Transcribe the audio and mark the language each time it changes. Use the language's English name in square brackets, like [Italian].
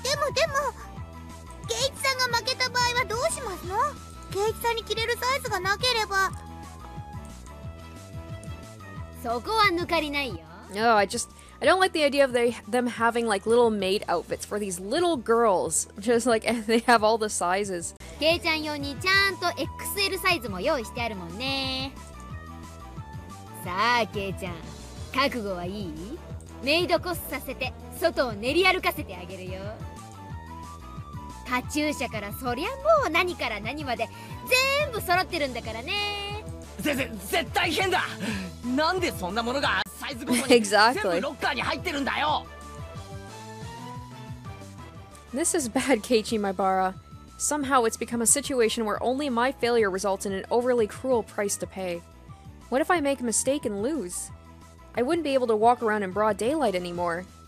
[Japanese] でも、ケイチさんが負けた場合はどうしますの？ケイチさんに着れるサイズがなければ。そこは抜かりないよ。 [English] No, I don't like the idea of them having like little maid outfits for these little girls. Just like, and they have all the sizes. [Japanese] ケイちゃん用にちゃんと XL サイズも用意してあるもんね。さあケイちゃん、覚悟はいい？メイドコスさせて外を練り歩かせてあげるよ。カチューシャからそりゃもう何から何まで全部揃ってるんだからね。絶対変だ。なんでそんなものがサイズごとに [English] exactly [Japanese] 全部ロッカーに入ってるんだよ。 [English] This is bad, Keiichi Maibara. Somehow it's become a situation where only my failure results in an overly cruel price to pay. What if I make a mistake and lose? I wouldn't be able to walk around in broad daylight anymore.